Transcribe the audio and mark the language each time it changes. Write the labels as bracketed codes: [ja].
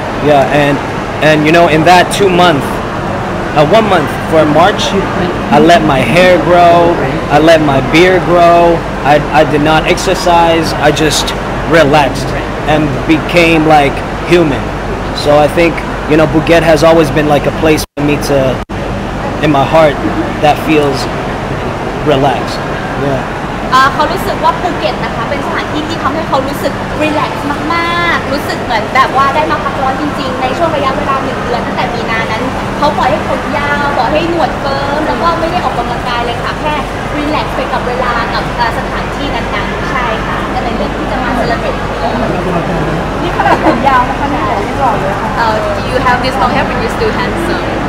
[en] Yeah, and you know, in that 2 months. One month for March, I let my hair grow, I let my beard grow, I did not exercise, I just relaxed and became like human. So I think, you know, Phuket has always been like a place for me to, in my heart, that feels relaxed. Yeah. [th] เขารู้สึกว่าภูเก็ตนะคะเป็นสถานที่ที่ทำให้เขารู้สึกรีแลกซ์มากๆรู้สึกเหมือนแบบว่าได้มาพักร้อนจริงๆในช่วงระยะเวลา1เดือนตั้งแต่มีนานั้นเขาปล่อยให้ผมยาวปล่อยให้หนวดเฟิร์มแล้วก็ไม่ได้ออกกำลังกายเลยค่ะแค่รีแลกซ์ไปกับเวลากับสถานที่นั้นๆใช่ค่ะก็เลยเลือกที่จะมาเซเลบริต นี่ขนาดผมยาวนะคะนี่ผมไม่หล่อเลยค่ ะ [en] Do you have this long hair but you're still handsome